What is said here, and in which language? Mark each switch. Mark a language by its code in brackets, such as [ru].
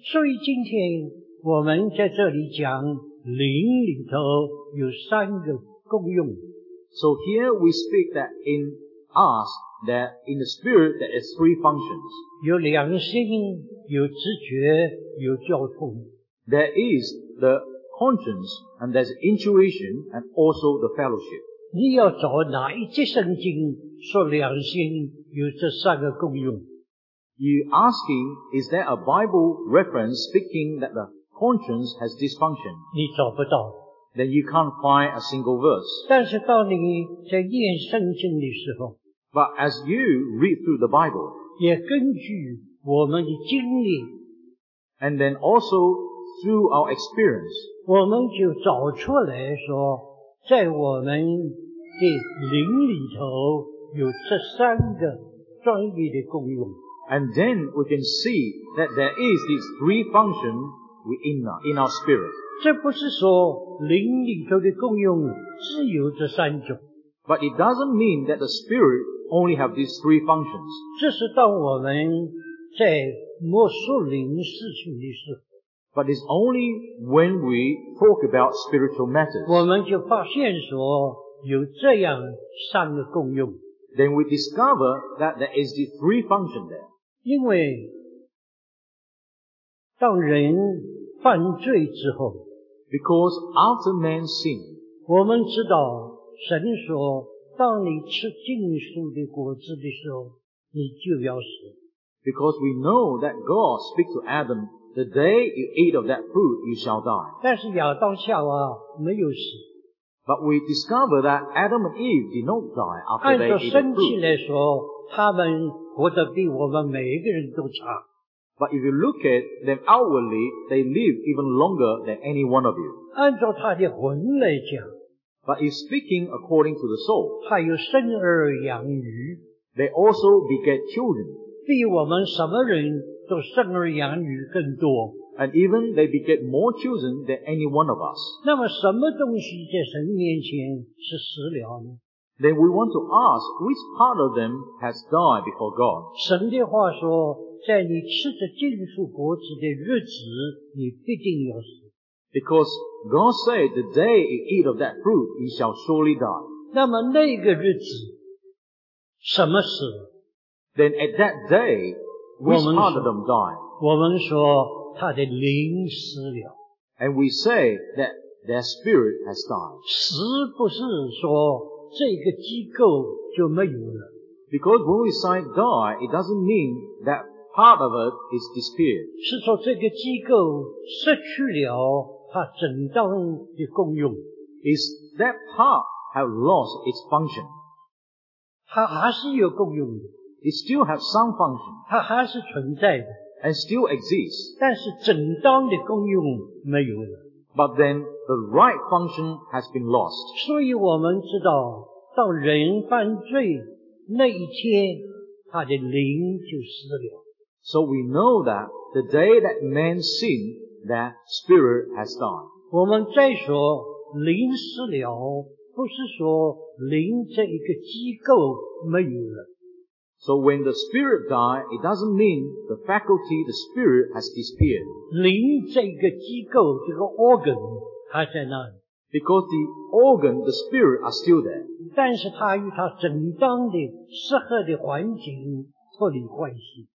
[zh] 所以今天我们在这里讲灵里头有三个功用。 [en] So here we speak that in us, that in the spirit there is three functions. [zh] 有良心，有知觉，有交通。 [en] There is the conscience, and there's intuition, and also the fellowship. [zh] 你要找哪一节圣经说良心有这三个功用？ [en] You asking, is there a Bible reference speaking that the conscience has this function? [zh] 你找不到。 [en] Then you can't find a single verse. [zh] 但是当你在念圣经的时候， [en] But as you read through the Bible, [zh] 也根据我们的经历， [en] and then also through our experience, [zh] 我们就找出来说，在我们的灵里头有这三个专一的功用。 [en] And then we can see that there is these three functions in our spirit. [zh] 这不是说灵里头的功用只有这三种。 [en] But it doesn't mean that the spirit only have these three functions. [zh] 这是当我们在摸索灵事情的时候。 [en] But it's only when we talk about spiritual matters. [zh] 我们就发现说有这样三个功用。 [en] Then we discover that there is the three function there. [zh] 因为当人犯罪之后， [en] Because after man sinned, [zh] 我们知道神说当你吃禁树的果子的时候你就要死。 [en] Because we know that God speaks to Adam, the day you eat of that fruit, you shall die. [zh] 但是亚当夏娃没有死。 [en] But we discover that Adam and Eve did not die after they ate the fruit. [zh] 按照身体来说他们活得比我们每一个人都长。 [en] But if you look at them outwardly, they live even longer than any one of you. [zh] 按照他的魂来讲。 [en] But if speaking according to the soul, [zh] 他有生儿养女。 [en] They also beget children. [zh] 比我们什么人都生儿养女更多。 [en] And even they beget more children than any one of us. [zh] 那么什么东西在神面前是死了呢？ [en] Then we want to ask which part of them has died before God. [zh] 神的话说在你吃着禁树果子的日子你必定要死。 [en] Because God said the day you eat of that fruit you shall surely die. [zh] 那么那个日子什么死？ [en] Then at that day which part of them died? [zh] 我们说他的灵死了。 [en] And we say that their spirit has died. [zh] 死不是说这个机构就没有了。 [en] Because when we say die, it doesn't mean that part of it is disappeared. [zh] 是说这个机构失去了它正当的功用。 [en] Is that part have lost its function? [zh] 它还是有功用的。 [en] It still has some function. [zh] 它还是存在的。 [en] And still exists. [zh] 但是正当的功用没有了。 [en] But then the right function has been lost. [zh] 所以我们知道当人犯罪那一天他的灵就死了。 [en] So we know that the day that man sinned, that spirit has died. [zh] 我们再说灵死了不是说灵这一个机构没有了。 [en] So when the spirit died, it doesn't mean the faculty, the spirit has disappeared. [zh] 灵这个机构这个 organ 还在那里。 [en] Because the organ, the spirit are still there. [zh] 但是它与它正当的适合的环境脱离关系。